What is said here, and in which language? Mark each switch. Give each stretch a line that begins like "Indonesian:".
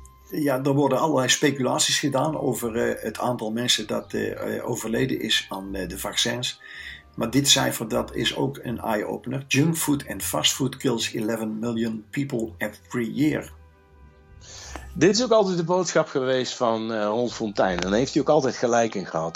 Dutch: Ja, er worden allerlei speculaties gedaan over het aantal mensen dat overleden is aan de vaccins. Maar dit cijfer dat is ook een eye-opener.
English: Junk food and fast food kills 11 million people every year.
Dutch: Dit is ook altijd de boodschap geweest van Ron Fontijn. En daar heeft hij ook altijd gelijk in gehad.